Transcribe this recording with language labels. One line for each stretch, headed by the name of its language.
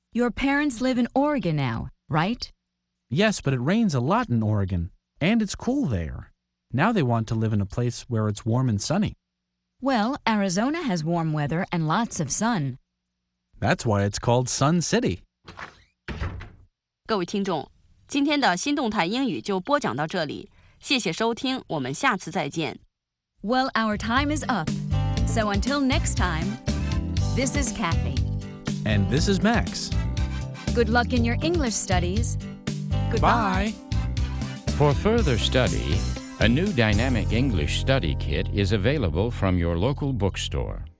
English: Your parents live in Oregon now, right? Yes, but it rains a lot in Oregon, and it's cool there. Now they want to live in a place where it's warm and sunny. Well, Arizona has warm weather and lots of sun. That's why it's called Sun City.
Chinese: 各位听众，今天的新动态英语就播讲到这里。谢谢收听，我们下次再见。
English: Well, our time is up. So until next time, this is Kathy. And this is Max. Good luck in your English studies. Goodbye. For further study... A new Dynamic English Study Kit is available from your local bookstore.